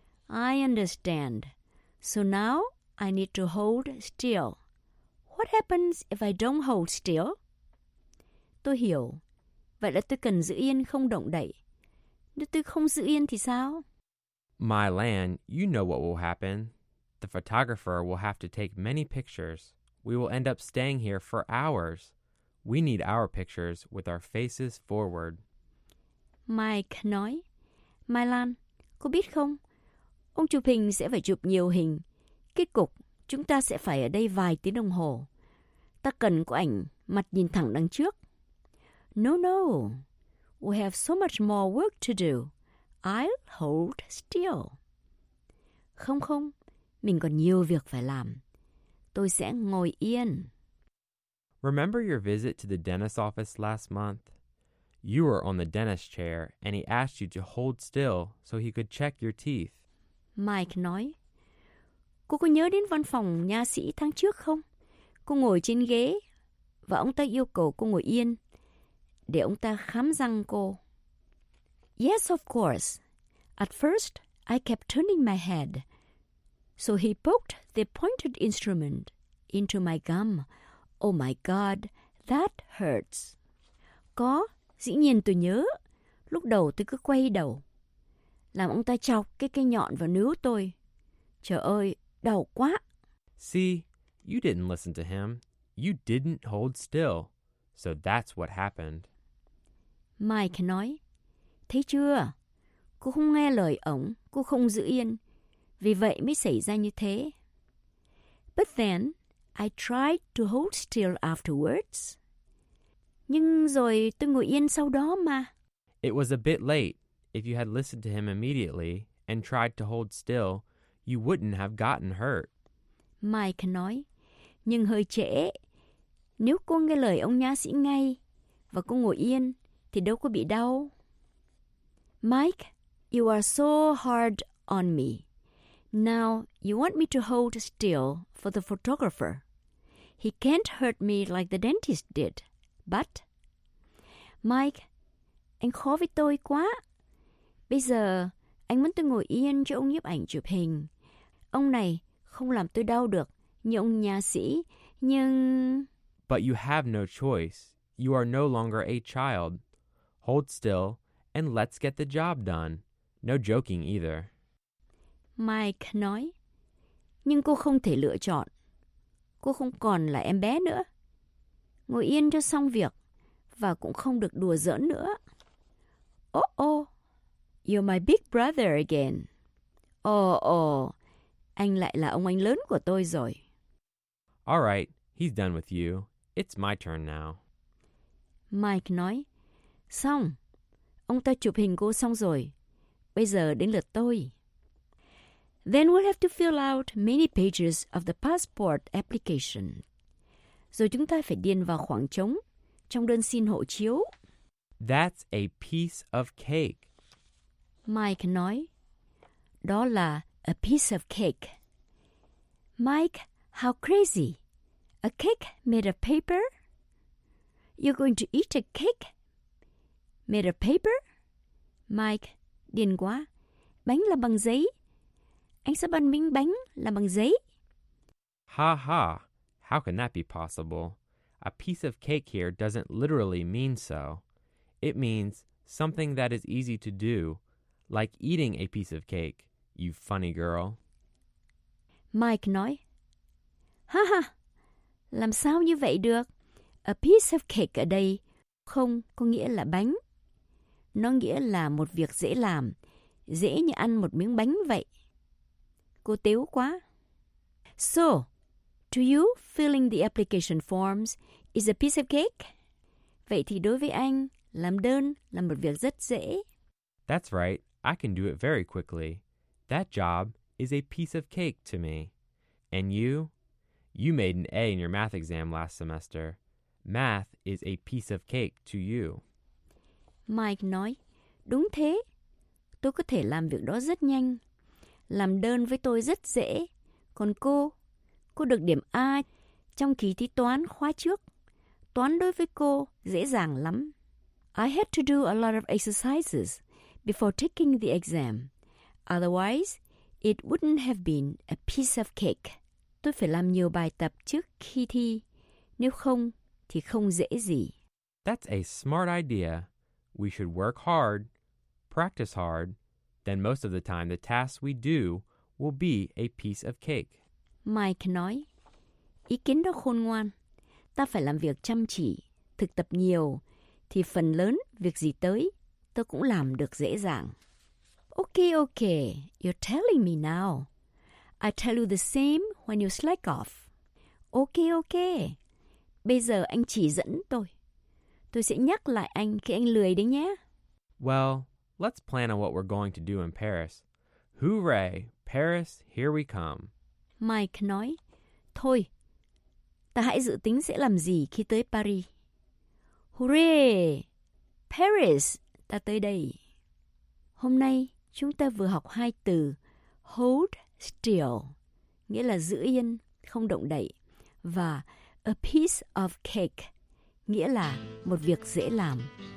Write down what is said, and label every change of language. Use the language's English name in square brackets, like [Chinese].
[English] I understand. So now I need to hold still. What happens if I don't hold still? [Vietnamese] Tôi hiểu. Vậy là tôi cần giữ yên không động đậy. Nếu tôi không giữ yên thì sao? [English] Mylan, you know what will happen. The photographer will have to take many pictures. We will end up staying here for hours. We need our pictures with our faces forward. [Vietnamese] Mike nói, Mai Lan, cô biết không? Ông chụp hình sẽ phải chụp nhiều hình. Kết cục, chúng ta sẽ phải ở đây vài tiếng đồng hồ. Ta cần có ảnh mặt nhìn thẳng đằng trước. [English] No, no. We have so much more work to do. I'll hold still. [Vietnamese] Không, không. Mình còn nhiều việc phải làm. Tôi sẽ ngồi yên. [English] Remember your visit to the dentist's office last month? You were on the dentist chair and he asked you to hold still so he could check your teeth. [Vietnamese] Mike nói, cô có nhớ đến văn phòng nha sĩ tháng trước không? Cô ngồi trên ghế và ông ta yêu cầu cô ngồi yên để ông ta khám răng cô. [English] Yes, of course. At first, I kept turning my head. So he poked the pointed instrument into my gum. Oh my God, that hurts. [Vietnamese] Có, dĩ nhiên tôi nhớ. Lúc đầu tôi cứ quay đầu. Làm ông ta chọc cái cây nhọn vào nướu tôi. Trời ơi, đau quá. [English] See, you didn't listen to him. You didn't hold still. So that's what happened. [Vietnamese] Mike nói, thấy chưa? Cô không nghe lời ổng, cô không giữ yên. Vì vậy mới xảy ra như thế. [English] But then, I tried to hold still afterwards. [Vietnamese] Nhưng rồi tôi ngồi yên sau đó mà. [English] It was a bit late. If you had listened to him immediately and tried to hold still, you wouldn't have gotten hurt. [Vietnamese] Mike nói, nhưng hơi trễ. Nếu cô nghe lời ông nha sĩ ngay và cô ngồi yên, thì đâu có bị đau. [English] Mike, you are so hard on me. Now, you want me to hold still for the photographer. He can't hurt me like the dentist did, but... [Vietnamese] Mike, anh khó với tôi quá. Bây giờ, anh muốn tôi ngồi yên cho ông nhiếp ảnh chụp hình. Ông này không làm tôi đau được như ông nha sĩ, nhưng... [English] But you have no choice. You are no longer a child. Hold still and let's get the job done. No joking either. [Vietnamese] Mike nói, nhưng cô không thể lựa chọn. Cô không còn là em bé nữa. Ngồi yên cho xong việc và cũng không được đùa giỡn nữa. [English] Oh, you're my big brother again. [Vietnamese] Oh, anh lại là ông anh lớn của tôi rồi. [English] All right, he's done with you. It's my turn now. [Vietnamese] Mike nói, xong. Ông ta chụp hình cô xong rồi. Bây giờ đến lượt tôi. [English] Then we'll have to fill out many pages of the passport application. [Vietnamese] Rồi chúng ta phải điền vào khoảng trống trong đơn xin hộ chiếu. [English] That's a piece of cake. [Vietnamese] Mike nói, đó là a piece of cake. [English] Mike, how crazy. A cake made of paper? You're going to eat a cake made of paper? [Vietnamese] Mike, điên quá. Bánh là bằng giấy. Anh sẽ ăn miếng bánh là bằng giấy. [English] Ha ha, how can that be possible? A piece of cake here doesn't literally mean so. It means something that is easy to do, like eating a piece of cake, you funny girl. [Vietnamese] Mike nói, ha ha. Làm sao như vậy được? A piece of cake ở đây không có nghĩa là bánh. Nó nghĩa là một việc dễ làm, dễ như ăn một miếng bánh vậy. Cô tếu quá. [English] So, to you, filling the application forms is a piece of cake? [Vietnamese] Vậy thì đối với anh, làm đơn là một việc rất dễ. [English] That's right. I can do it very quickly. That job is a piece of cake to me. And you... You made an A in your math exam last semester. Math is a piece of cake to you. [Vietnamese] Mike nói, đúng thế. Tôi có thể làm việc đó rất nhanh. Làm đơn với tôi rất dễ. Còn cô được điểm A trong kỳ thi toán khóa trước. Toán đối với cô dễ dàng lắm. [English] I had to do a lot of exercises before taking the exam. Otherwise, it wouldn't have been a piece of cake. [Vietnamese] Tôi phải làm nhiều bài tập trước khi thi. Nếu không, thì không dễ gì. [English] That's a smart idea. We should work hard, practice hard. Then most of the time, the tasks we do will be a piece of cake. [Vietnamese] Mike nói, ý kiến đó khôn ngoan. Ta phải làm việc chăm chỉ, thực tập nhiều. Thì phần lớn, việc gì tới, ta tôi cũng làm được dễ dàng. [English] Ok, ok, you're telling me now. I tell you the same when you slack off. [Vietnamese] Ok, ok, bây giờ anh chỉ dẫn tôi. Tôi sẽ nhắc lại anh khi anh lười đấy nhé. [English] Well, let's plan on what we're going to do in Paris. Hooray, Paris, here we come. [Vietnamese] Mike nói, thôi, ta hãy dự tính sẽ làm gì khi tới Paris. Hooray, Paris, ta tới đây. Hôm nay, chúng ta vừa học hai từ hold still, nghĩa là giữ yên, không động đậy, và a piece of cake, nghĩa là một việc dễ làm.